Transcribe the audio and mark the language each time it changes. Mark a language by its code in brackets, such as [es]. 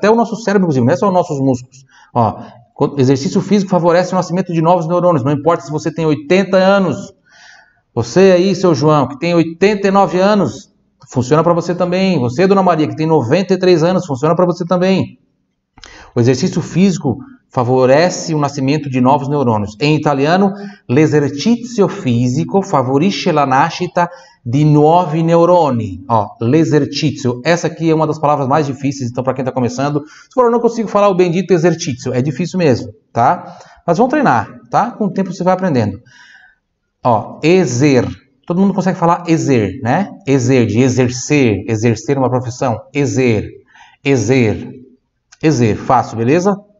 [pt] Até o nosso cérebro, inclusive, não é só os nossos músculos. Ó, exercício físico favorece o nascimento de novos neurônios. Não importa se você tem 80 anos. Você aí, seu João, que tem 89 anos, funciona para você também. Você, dona Maria, que tem 93 anos, funciona para você também. O exercício físico favorece o nascimento de novos neurônios. Em italiano, [it] l'esercizio fisico favorisce la nascita di nuovi neuroni. Ó, l'esercizio. [pt] Essa aqui é uma das palavras mais difíceis, então, para quem está começando. Se for, eu não consigo falar o bendito exercício. É difícil mesmo, tá? Mas vamos treinar, tá? Com o tempo você vai aprendendo. Ó, exer. Todo mundo consegue falar exer, né? Exer, de exercer. Exercer uma profissão. Exer. Exer. Exer. Fácil, beleza?